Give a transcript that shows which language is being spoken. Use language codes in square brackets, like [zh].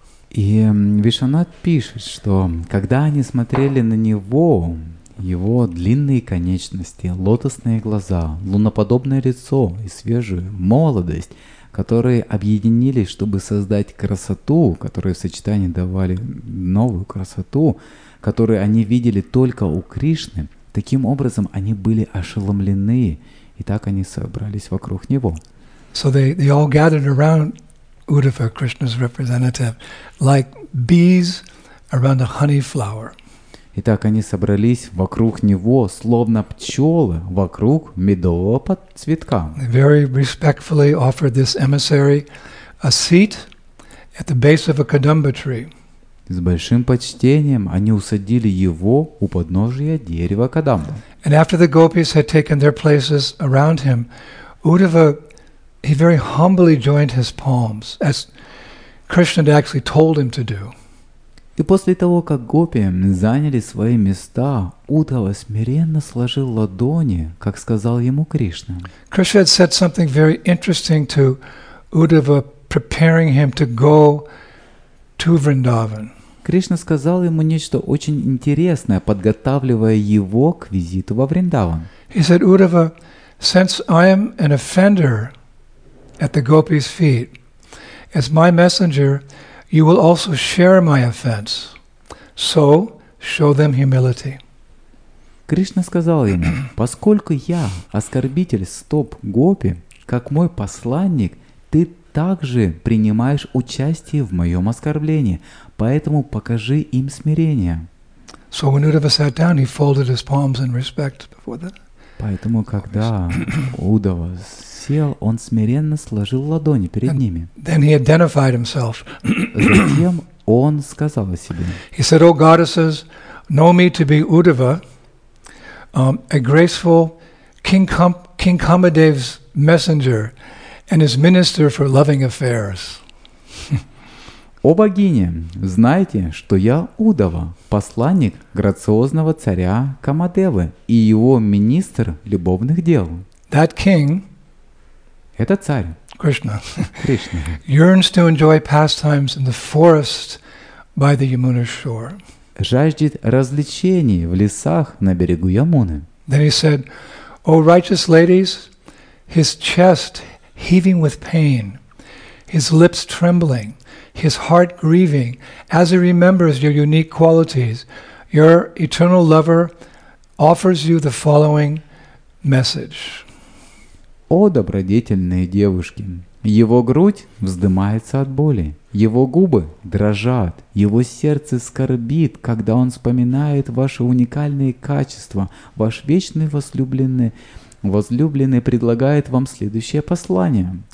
[ru] И Вишванат пишет, что когда они смотрели на него, его длинные конечности, лотосные глаза, луноподобное лицо и свежую молодость, которые объединились, чтобы создать красоту, которые в сочетании давали новую красоту, которую они видели только у Кришны, таким образом они были ошеломлены, и так они собрались вокруг него. [en] So they all gathered around Uddhava, Krishna's representative, like bees around a honey flower. [ru] Итак, они собрались вокруг него, словно пчелы вокруг медового цветка. [en] They very respectfully offered this emissary a seat at the base of a kadamba tree. [ru] С большим почтением они усадили его у подножия дерева кадамба. [en] And after the gopis had taken their places around him, Uddhava, he very humbly joined his palms, as Krishna had actually told him to do. [ru] И после того, как гопи заняли свои места, Уддхава смиренно сложил ладони, как сказал ему Кришна. [en] Krishna had said something very interesting to Uddhava, preparing him to go to Vrindavan. [ru] Кришна сказал ему нечто очень интересное, подготавливая его к визиту во Вриндаван. [en] He said, Uddhava, since I am an offender at the gopis' feet, as my messenger, you will also share my offense. So show them humility. [ru] Кришна сказал ему, поскольку я оскорбитель стоп гопи, как мой посланник, ты также принимаешь участие в моем оскорблении, поэтому покажи им смирение. [en] So when Uddhava sat down, he folded his palms in respect before the. [ru] Поэтому, когда Уддхава сел, он смиренно сложил ладони перед [en] and [ru] ними. [en] Then he identified himself. [ru] Затем он сказал о себе. [en] He said, O goddesses, know me to be Uddhava, a graceful King Kamadev's messenger and his minister for loving affairs. [ru] О богине, знайте, что я Уддхава, посланник грациозного царя Камадевы и его министр любовных дел. [en] That king, [ru] этот царь, [en] Krishna, [ru] Кришна, [en] yearns to enjoy pastimes in the forest by the Yamuna shore. [ru] Жаждет развлечений в лесах на берегу Ямуны. [en] Then he said, O righteous ladies, his chest heaving with pain, his lips trembling, his heart grieving, as he remembers your unique qualities, your eternal lover offers you the following message. [ru] О добродетельные девушки! Его грудь вздымается от боли, его губы дрожат, его сердце скорбит, когда он вспоминает ваши уникальные качества, ваш вечный возлюбленный предлагает вам следующее послание.